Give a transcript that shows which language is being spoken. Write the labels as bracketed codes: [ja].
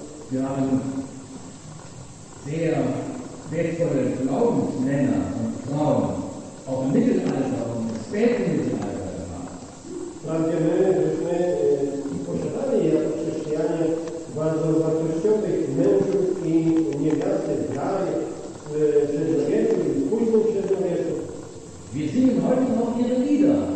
[de] Wir haben sehr wertvolle Glaubensmänner und Frauen auf dem Mittelalter und späten Mittelalter. [pl] Wprawdzie my, żeśmy posiadali jako chrześcijanie bardzo wartościowych mężów i niewiasty braje w średniowieczu i późnym średniowieczu. [de] Wir singen heute noch ihre Lieder.